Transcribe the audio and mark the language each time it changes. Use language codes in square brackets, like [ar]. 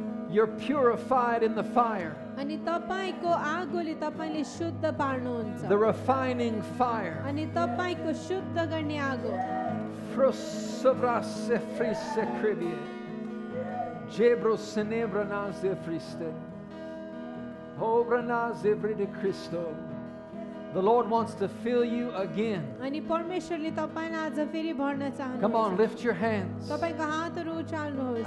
[en] You're purified in the fire. [ne] अनि तपाईको आगोले तपाईले शुद्ध पार्नुहुन्छ. [en] The refining fire. [ne] अनि तपाईको शुद्ध गर्ने आगो. Frusobrasse frisse cribie. Jebro senebra nasi friste. Obra nasi fride Cristo. [en] The Lord wants to fill you again. [ne] अनि परमेश्वरले तपाईलाई आज फेरि भर्न चाहनुहुन्छ. [en] Come on, lift your hands. [ne] तपाईको हातहरू उचाल्नुहोस्.